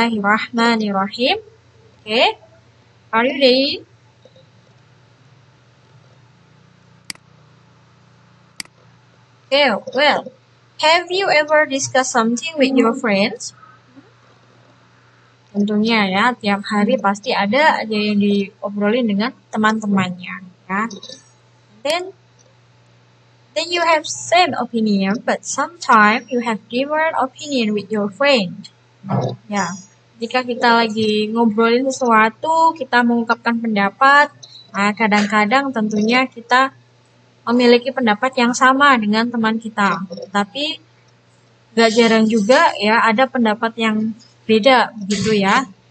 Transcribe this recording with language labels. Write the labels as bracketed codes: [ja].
[en] Bismillahirrahmanirrahim. Okay, are you ready? Okay, well, have you ever discussed something with your friends? [id] Tentunya ya, tiap hari pasti ada aja yang diobrolin dengan teman-temannya, ya. [en] Then you have same opinion, but sometimes you have different opinion with your friend. [id] Ya, jika kita lagi ngobrolin sesuatu, kita mengungkapkan pendapat, nah kadang-kadang tentunya kita memiliki pendapat yang sama dengan teman kita. Tapi, gak jarang juga ya, ada pendapat yang beda gitu ya.